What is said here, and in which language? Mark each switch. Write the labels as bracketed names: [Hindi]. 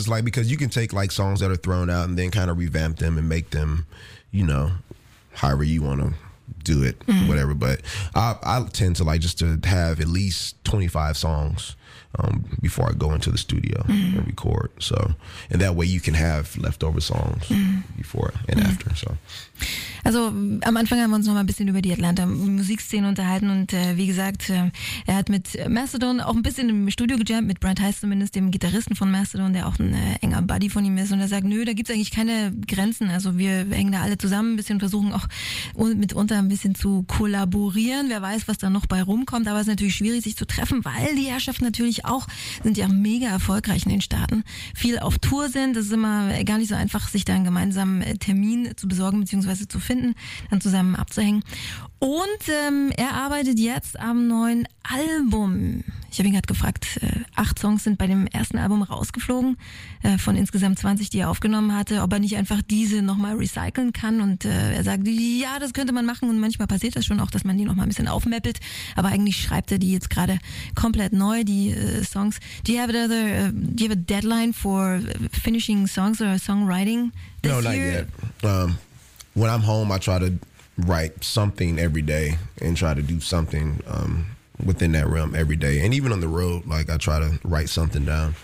[English] It's like, because you can take like songs that are thrown out and then kind of revamp them and make them, you know, however you want to do it, whatever. But I tend to like just to have at least 25 songs before I go into the studio and record. So, and that way you can have leftover songs before and after. So, [German] also am Anfang haben wir uns noch mal ein bisschen über die Atlanta-Musikszene unterhalten und wie gesagt, er hat mit Mastodon auch ein bisschen im Studio gejammt, mit Brent Heiss zumindest, dem Gitarristen von Mastodon, der auch ein enger Buddy von ihm ist, und er sagt, nö, da gibt's eigentlich keine Grenzen. Also wir hängen da alle zusammen ein bisschen, versuchen auch mitunter ein bisschen zu kollaborieren. Wer weiß, was da noch bei rumkommt. Aber es ist natürlich schwierig, sich zu treffen, weil die Herrschaften natürlich auch, sind ja mega erfolgreich in den Staaten, viel auf Tour sind. Es ist immer gar nicht so einfach, sich da einen gemeinsamen Termin zu besorgen bzw. zu finden, dann zusammen abzuhängen. Und er arbeitet jetzt am neuen Album. Ich habe ihn gerade gefragt, 8 Songs sind bei dem ersten Album rausgeflogen, von insgesamt 20, die er aufgenommen hatte, ob er nicht einfach diese nochmal recyceln kann. Und er sagt, ja, das könnte man machen. Und manchmal passiert das schon auch, dass man die nochmal ein bisschen aufmäppelt. Aber eigentlich schreibt er die jetzt gerade komplett neu, die Songs. [English] Do you have a deadline for finishing songs or songwriting this year? No, not yet. When I'm home, I try to write something every day and try to do something within that realm every day. And even on the road, like, I try to write something down.